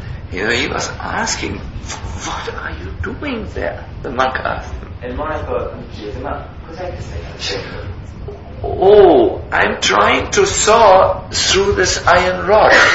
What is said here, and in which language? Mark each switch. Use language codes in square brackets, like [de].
[en] You know, he was asking, what are you doing there? The monk asked him. [it] Il monaco chiese, ma cos'è che stai facendo? [en] Oh, I'm trying to saw through this iron rod.